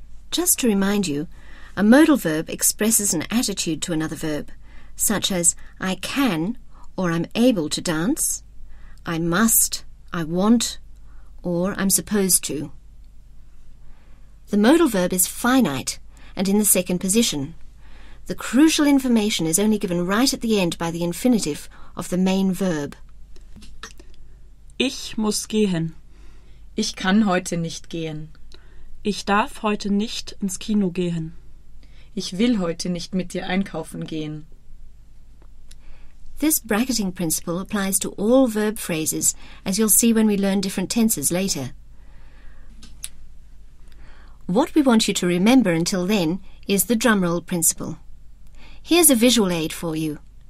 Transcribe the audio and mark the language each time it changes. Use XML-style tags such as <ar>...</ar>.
<en>Just to remind you, a modal verb expresses an attitude to another verb, such as I can or I'm able to dance, I must, I want, or I'm supposed to. The modal verb is finite and in the second position. The crucial information is only given right at the end by the infinitive of the main verb.</en> <de>Ich muss gehen. Ich kann heute nicht gehen. Ich darf heute nicht ins Kino gehen. Ich will heute nicht mit dir einkaufen gehen.</de> <en>This bracketing principle applies to all verb phrases, as you'll see when we learn different tenses later. What we want you to remember until then is the drumroll principle. Here's a visual aid for you.</en>